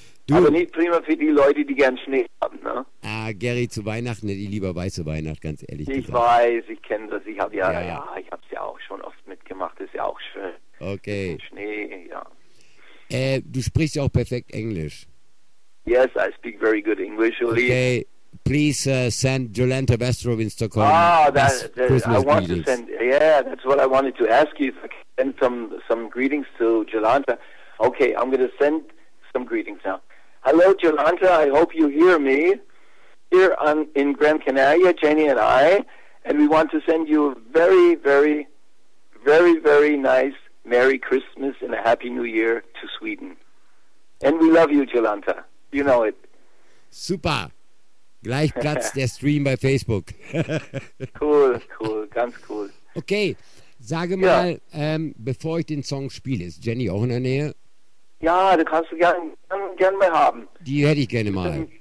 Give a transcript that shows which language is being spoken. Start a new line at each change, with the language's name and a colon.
German: aber nicht prima für die Leute, die gern Schnee haben, ne? Ah, Gerry, zu Weihnachten hätte ich lieber weiße Weihnacht, ganz ehrlich gesagt. Ich weiß, ich kenne das. Ich habe ich hab's ja auch schon oft mitgemacht. Das ist ja auch schön. Okay. Schnee, ja. Du sprichst ja auch perfekt Englisch.
English: Yes, I speak very good English, Uli. Okay, please send Jolanta Westrow in Stockholm. That's what I wanted to ask you, if I can send some greetings to Jolanta. Okay, I'm going to send some greetings now. Hello, Jolanta, I hope you hear me. Here in Gran Canaria, Jenny and I, and we want to send you a very, very, very, very nice Merry Christmas and a Happy New Year to Sweden. And we love you, Jolanta. You know it.
German: Super. Gleich platzt der Stream bei Facebook. Cool, cool, ganz cool. Okay, sage mal, bevor ich den Song spiele, ist Jenny auch in der Nähe? Ja, du kannst du gern mal haben. Die hätte ich gerne mal.